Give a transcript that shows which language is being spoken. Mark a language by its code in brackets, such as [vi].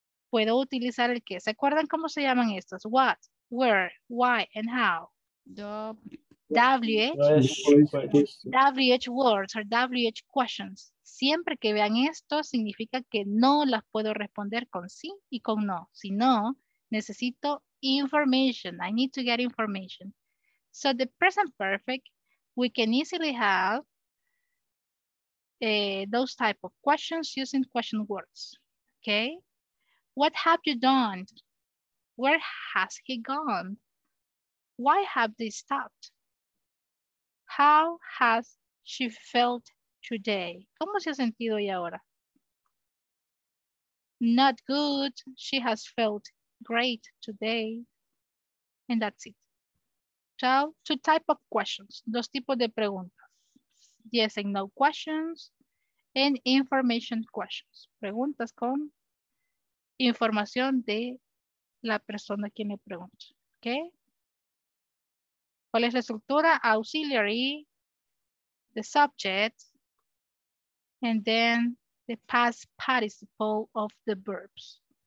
[es] Puedo utilizar el qué. ¿Se acuerdan cómo se llaman estas? [en] What, where, why, and how. WH words or WH questions. [es] Siempre que vean esto, significa que no las puedo responder con sí y con no. Si no, necesito [en] information. I need to get information. So the present perfect, we can easily have those type of questions using question words, okay? What have you done? Where has he gone? Why have they stopped? How has she felt today? [es] ¿Cómo se ha sentido ella ahora? [en] Not good. She has felt great today. And that's it. So, two type of questions. [es] Dos tipos de preguntas. [en] Yes and no questions. And information questions. [es] Preguntas con información de la persona quien le pregunta. Okay. ¿Cuál es la estructura? [en] Auxiliary, the subject, and then the past participle of the verbs.